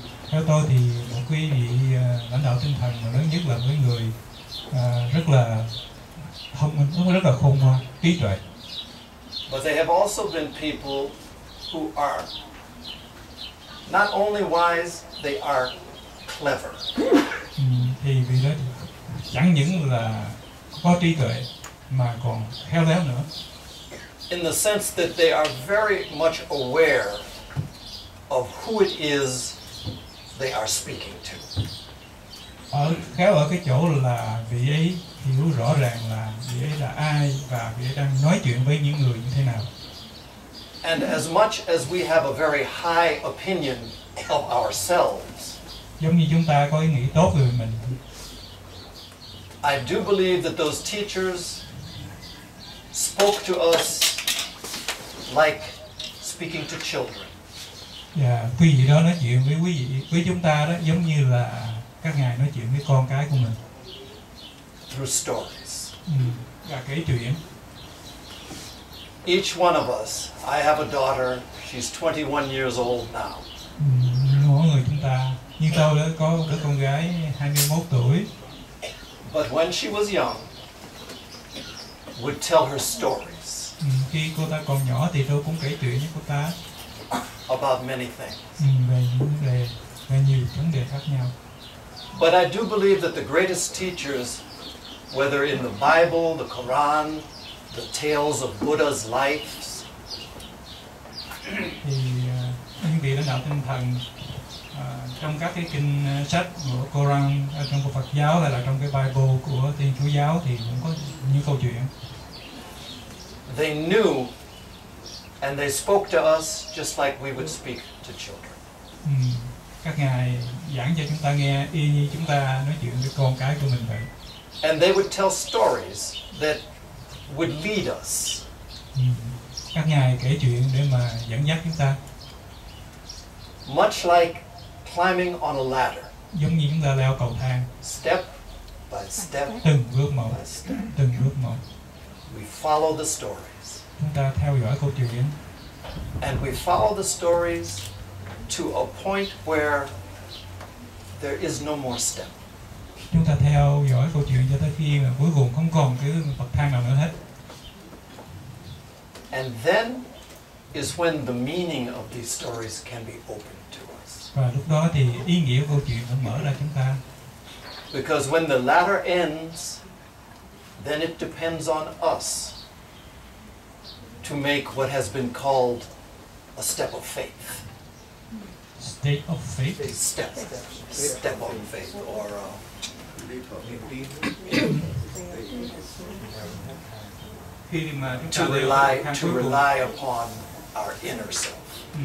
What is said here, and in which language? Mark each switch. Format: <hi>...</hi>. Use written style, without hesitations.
<vi>Theo tôi thì một quý vị lãnh đạo tinh thần mà lớn nhất là mấy người rất là thông minh, rất là khôn ngoan, trí tuệ.</vi> <en>But they have also been people who are not only wise, they are clever.</en> <vi>Thì vì đó chẳng những là có trí tuệ mà còn khéo léo nữa.</vi> <en>in the sense that they are very much aware of who it is they are speaking to.</en> <vi>Ở cái chỗ là vị ấy hiểu rõ ràng là vị ấy là ai và vị ấy đang nói chuyện với những người như thế nào.</vi> <en>And as much as we have a very high opinion of ourselves,</en> <vi>giống như chúng ta có ý nghĩ tốt về mình,</vi> <en>I do believe that those teachers spoke to us like speaking to children. Yeah,</en> <vi>quý vị đó nói chuyện với quý vị, với chúng ta đó giống như là các ngài nói chuyện với con cái của mình.</vi> <en>Through stories.</en> <vi>Và kể chuyện.</vi> <en>Each one of us, I have a daughter, she's 21 years old now.</en> <vi>Mỗi người chúng ta, như tôi đã có đứa con gái 21 tuổi.</vi> <en>But when she was young, would tell her stories.</en> <vi>Khi cô ta còn nhỏ thì tôi cũng kể chuyện với cô ta.</vi> <en>About many things.</en> <vi>Về những vấn đề, về nhiều vấn đề khác nhau.</vi> <en>But I do believe that the greatest teachers, whether in the Bible, the Quran, the tales of Buddha's lives,</en> <vi>thì những vị lãnh đạo tinh thần trong các cái kinh sách của Quran, trong của Phật giáo hay là trong cái Bible của Thiên Chúa giáo thì cũng có những câu chuyện.</vi> <en>They knew, and they spoke to us just like we would speak to children.</en> <vi>Các ngài giảng cho chúng ta nghe y như chúng ta nói chuyện với con cái của mình vậy.</vi> <en>And they would tell stories that would lead us.</en> <vi>Các ngài kể chuyện để mà dẫn dắt chúng ta.</vi> <en>Much like climbing on a ladder.</en> <vi>Giống như chúng ta leo cầu thang.</vi> <en>Step by step.</en> <vi>Từng bước một. Từng bước một.</vi> <en>We follow the stories.</en> <vi>Chúng ta theo dõi câu chuyện.</vi> <en>And we follow the stories to a point where there is no more step.</en> <vi>Chúng ta theo dõi câu chuyện cho tới khi mà cuối cùng không còn cái bậc thang nào nữa hết.</vi> <en>And then is when the meaning of these stories can be opened to us.</en> <vi>Và lúc đó thì ý nghĩa câu chuyện nó mở ra chúng ta.</vi> <en>Because when the latter ends, then it depends on us to make what has been called a step of faith. State of faith. Step on faith, or to rely upon our inner self.</en>